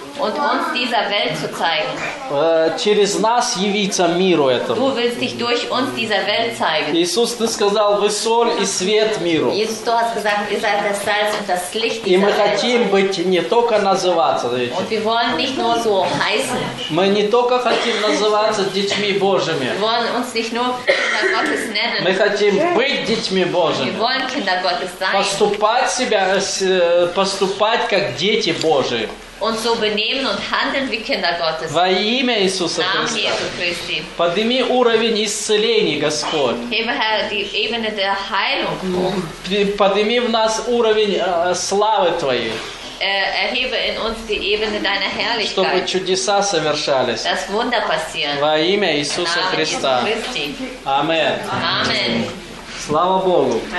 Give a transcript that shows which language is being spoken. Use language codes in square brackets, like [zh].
[de] Und uns dieser Welt zu zeigen. [ru] Через нас явиться миру этому. [de] Du willst dich durch uns dieser Welt zeigen. [ru] Иисус, ты сказал, вы соль и свет миру. [de] Jesus, du hast gesagt, ihr seid das Salz und das Licht dieser Welt. [ru] И мы хотим быть не только называться. [de] Und wir wollen nicht nur so heißen. [ru] Мы не только хотим называться детьми Божьими. [de] Wir wollen uns nicht nur Kinder Gottes nennen. [ru] Мы хотим быть детьми Божьими. [de] Wir wollen Kinder Gottes sein. [ru] Поступать себя, поступать как дети Божьи. [de] Und so benehmen und handeln wie Kinder Gottes. [ru] Во имя Иисуса Христа. Подними уровень исцеления, Господь. [de] Hebe Herr, die Ebene der Heilung hoch. [ru] Подними в нас уровень славы Твоей. [de] Erhebe in uns die Ebene deiner Herrlichkeit. [ru] Чтобы чудеса совершались. [de] Dass Wunder passieren. [ru] Во имя Иисуса Христа. [de] Amen. [ru] Amen. Слава Богу.